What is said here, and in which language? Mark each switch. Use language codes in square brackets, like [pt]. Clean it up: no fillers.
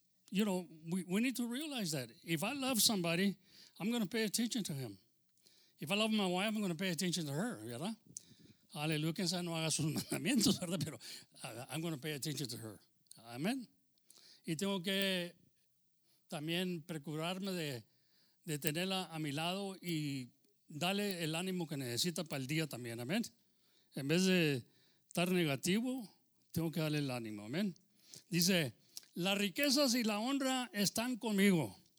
[en] You know, we need to realize that if I love somebody, I'm going to pay attention to him. If I love my wife, I'm going to pay attention to her, ¿verdad? [es] Aleluya, quien sea no haga sus mandamientos, ¿verdad? [en] Pero I'm going to pay attention to her. [es] Amén. Y tengo que también procurarme de tenerla a mi lado y darle el ánimo que necesita para el día también. Amén. En vez de estar negativo, tengo que darle el ánimo. Amén. Dice, las riquezas y la honra están conmigo.